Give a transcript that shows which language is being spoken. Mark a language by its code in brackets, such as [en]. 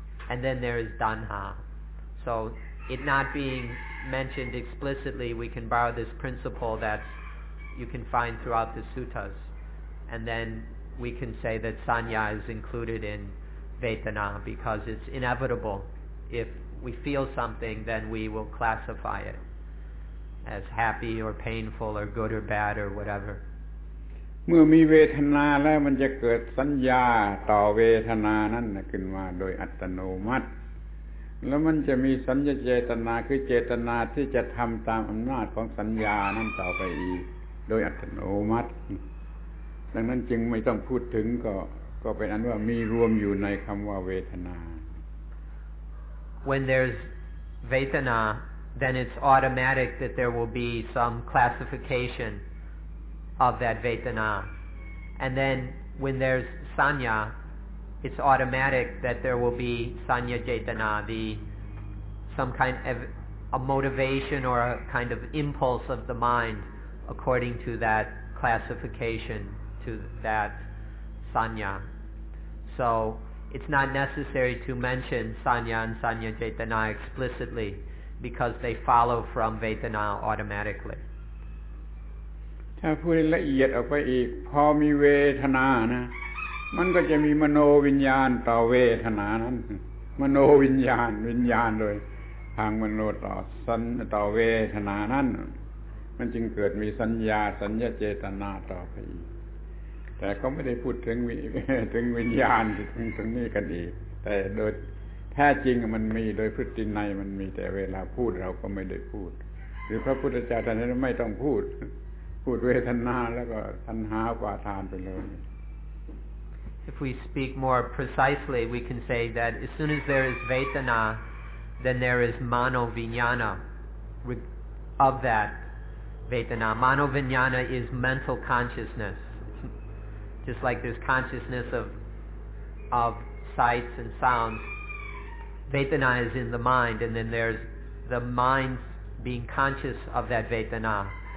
[en] And then there is dhanha. So it not being mentioned explicitly, we can borrow this principle that you can find throughout the suttas, and then we can say that sanya is included in vetana because it's inevitable. If we feel something, then we will classify it as happy or painful or good or bad or whatever. [th] เมื่อมีเวทนาแล้วมันจะเกิดสัญญาต่อเวทนานั้นขึ้นมาโดยอัตโนมัติแล้วมันจะมีสัญญาเจตนาคือเจตนาที่จะทำตามอำนาจของสัญญานั้นต่อไปอีกโดยอัตโนมัติดังนั้นจึงไม่ต้องพูดถึงก็เป็นอันว่ามีรวมอยู่ในคำว่าเวทนา [en] When there's vetana then it's automatic that there will be some classification of that vetana and then when there's sanyaIt's automatic that there will be sanya jetana, some kind of a motivation or a kind of impulse of the mind according to that classification, to that sanya. So it's not necessary to mention sanya and sanya jetana explicitly because they follow from vetana automatically. [th] ถ้าพูดละเอียดออกไปอีกพอมีเวทนานะมันก็จะมีมโนวิญญาณต่อเวทนานั้นมโนวิญญาณโดยทางมโนต่อสันต่อเวทนานั้นมันจึงเกิดมีสัญญาเจตนาต่อไปอีกแต่ก็ไม่ได้พูดถึง วิญญาณถึงนี่กันอีกแต่โดยแท้จริงมันมีโดยพฤตินัยมันมีแต่เวลาพูดเราก็ไม่ได้พูดหรือพระพุทธเจ้าท่านไม่ต้องพูดเวทนาแล้วก็ทันหาปาทานไปเลย [en] If we speak more precisely, we can say that as soon as there is vetana, then there is mano-vijnana of that vetana. Mano-vijnana is mental consciousness. Just like there's consciousness of sights and sounds, vetana is in the mind, and then there's the mind being conscious of that vetana.